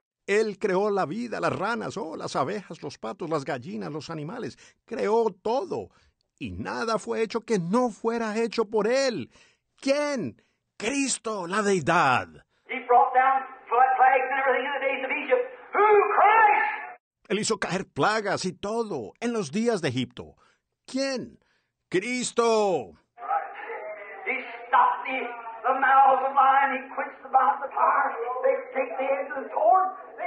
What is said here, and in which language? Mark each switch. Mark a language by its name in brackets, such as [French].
[Spanish] Él creó la vida, las ranas, oh, las abejas, los patos, las gallinas, los animales. Creó todo. Y nada fue hecho que no fuera hecho por Él. ¿Quién? Cristo, la Deidad. [English] He brought down flood plagues and everything in the days of Egypt. Who? Christ. [Spanish] Él hizo caer plagas y todo en los días de Egipto. ¿Quién? Cristo. [English] Right. He stopped the mouths of lions. He quenched the mouths of fire. They take the edge of the sword.